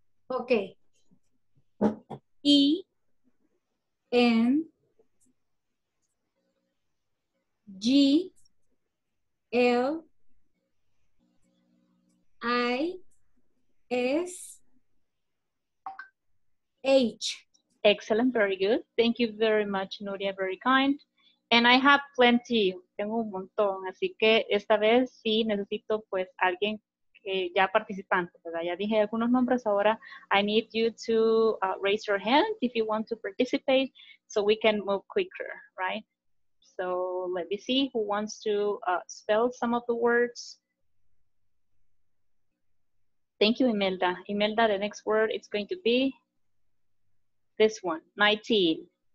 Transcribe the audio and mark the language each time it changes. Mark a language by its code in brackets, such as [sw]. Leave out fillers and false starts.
[en] Okay. E, N, G, L, I, S, H. Excellent, very good. Thank you very much, Nuria, very kind. And I have plenty. [es] Tengo un montón. Así que esta vez sí necesito pues alguien que ya participante, ¿verdad? Ya dije algunos nombres. [en] Ahora I need you to raise your hand if you want to participate so we can move quicker, right? So let me see who wants to spell some of the words. Thank you, Imelda. Imelda, the next word is going to be this one, 19.